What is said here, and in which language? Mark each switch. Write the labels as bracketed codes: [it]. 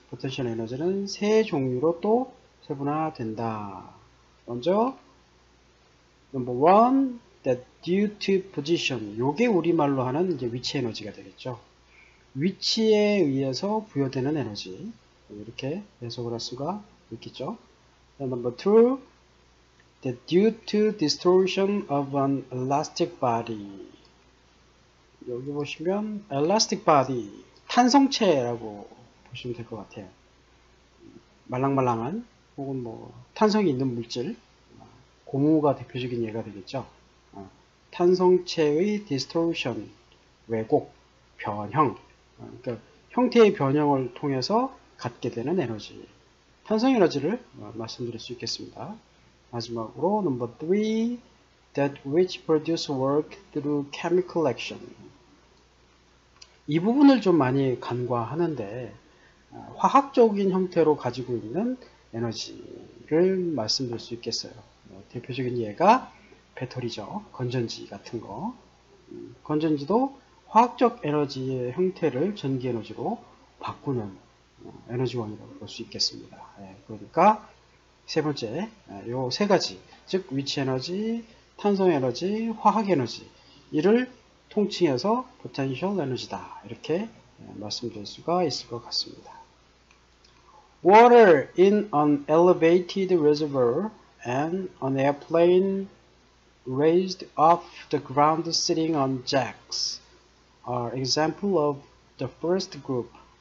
[ko] Potential energy는 세 종류로 또 세분화된다. [en] 먼저, number one, that due to position. [ko] 요게 우리말로 하는 이제 위치 에너지가 되겠죠. 위치에 의해서 부여되는 에너지. 이렇게 해석을 할 수가 있겠죠. [en] Number two, that due to distortion of an elastic body. [ko] 여기 보시면 elastic body, 탄성체라고 보시면 될것 같아요. 말랑말랑한 혹은 뭐 탄성이 있는 물질, 고무가 대표적인 예가 되겠죠. 탄성체의 distortion, 왜곡, 변형. 그러니까 형태의 변형을 통해서 갖게 되는 에너지, 탄성 에너지를 말씀드릴 수 있겠습니다. 마지막으로 [en] number three, that which produce work through chemical action. [ko] 이 부분을 좀 많이 간과하는데, 화학적인 형태로 가지고 있는 에너지를 말씀드릴 수 있겠어요. 대표적인 예가 배터리죠. 건전지 같은 거. 건전지도 화학적 에너지의 형태를 전기 에너지로 바꾸는 에너지원이라고 볼수 있겠습니다. 그러니까 세 번째, 요세 가지, 즉 위치 에너지, 탄성 에너지, 화학 에너지, 이를 통칭해서 포텐셜 에너지다, 이렇게 말씀드릴 수가 있을 것 같습니다. [en] Water in an elevated reservoir and an airplane raised off the ground sitting on jacks are example of the first group.